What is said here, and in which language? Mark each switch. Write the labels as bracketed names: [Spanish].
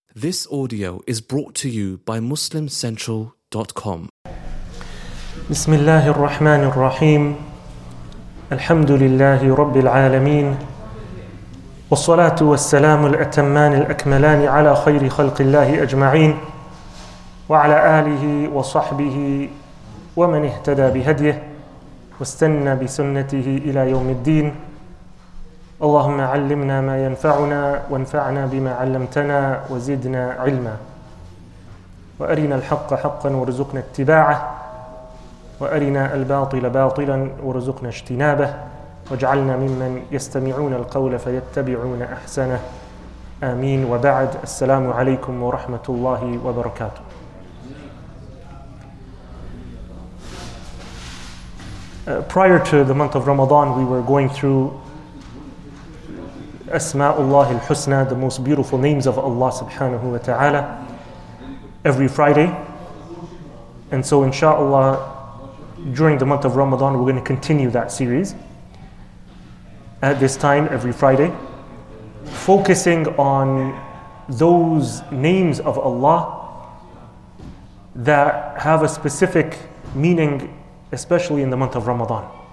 [English] This audio is brought to you by MuslimCentral.com. [Arabic] بسم الله الرحمن الرحيم الحمد لله رب العالمين والصلاة والسلام الأتمان الأكملان على خير خلق الله أجمعين وعلى آله وصحبه ومن اهتدى بهديه واستنى بسنته إلى يوم الدين. اللهم علمنا ما ينفعنا وانفعنا بما علمتنا وزدنا علما وأرنا الحق حقا وارزقنا اتباعه وأرنا الباطل باطلا وارزقنا اجتنابه واجعلنا ممن يستمعون القول فيتبعون أحسنه آمين وبعد. السلام عليكم ورحمة الله وبركاته. [English] Prior to the month of Ramadan, we were going through Asma'ullah al-Husna, the most beautiful names of Allah subhanahu wa ta'ala, every Friday. And so inshallah, during the month of Ramadan, we're going to continue that series at this time every Friday, focusing on those names of Allah that have a specific meaning, especially in the month of Ramadan.